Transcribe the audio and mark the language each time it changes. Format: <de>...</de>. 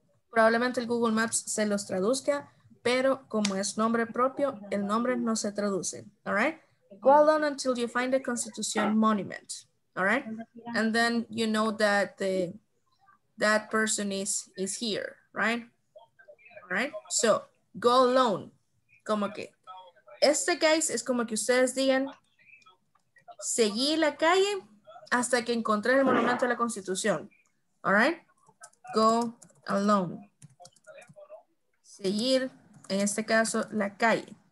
<es>Probablemente el Google Maps se los traduzca, pero como es nombre propio, el nombre no se traduce.</es> <en>All right. Go alone until you find the Constitución Monument. All right, and then you know that that person is here, right? All right, so go alone.</en> <es>Como que este, guys, es como que ustedes digan, seguí la calle hasta que encontré el monumento a la Constitución.</es> <en>All right, go alone. Seguir, en este caso, la calle.</en>